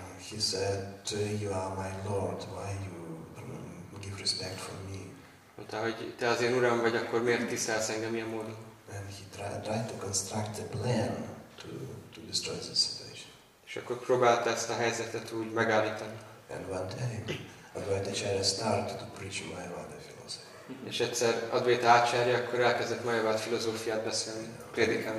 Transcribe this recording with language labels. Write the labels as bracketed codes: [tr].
[en] He said, you are my lord, why you give respect for me? [hu] Mondta, hogy te az én uram vagy, akkor miért tisztelsz engem ilyen módon? [en] And he tried to construct a plan to destroy the situation. [hu] És akkor próbálta ezt a helyzetet úgy megállítani. [en] And one day, Advaita Acharya started to preach Mayavada philosophy. [hu] És egyszer Advaita Acharya akkor elkezdett Mayavada filozófiát beszélni, prédikálni.